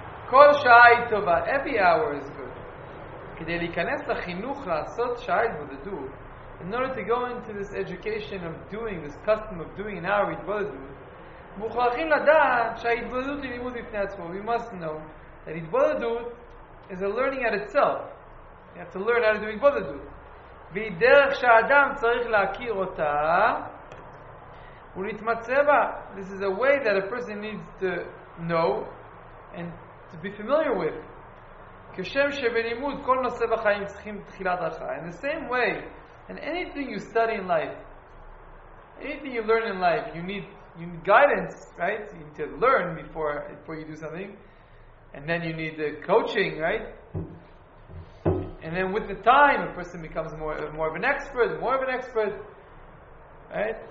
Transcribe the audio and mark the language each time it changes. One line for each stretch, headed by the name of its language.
Hebrew: Kol shai tova.
English: Every hour is good.
Hebrew: Kedei likanes lachinuch lasot shai bodedu.
English: In order to go into this education of doing, this custom of doing an hour itbodedu,
Hebrew: מוכרחים לדעת שההתבודדות היא לימוד בפני עצמו.
English: We must know that התבודדות is a learning at itself. You have to learn how to do התבודדות.
Hebrew: והיא דרך שהאדם צריך להכיר אותה ולהתמצא בה.
English: This is a way that a person needs to know and to be familiar with.
Hebrew: כשם שבלימוד כל נושא בחיים צריכים תחילת הרחה.
English: In the same way, and anything you study in life, anything you learn in life, you need guidance, right? You need to learn before you do something. And then you need the coaching, right? And then with the time, a person becomes more of an expert, right?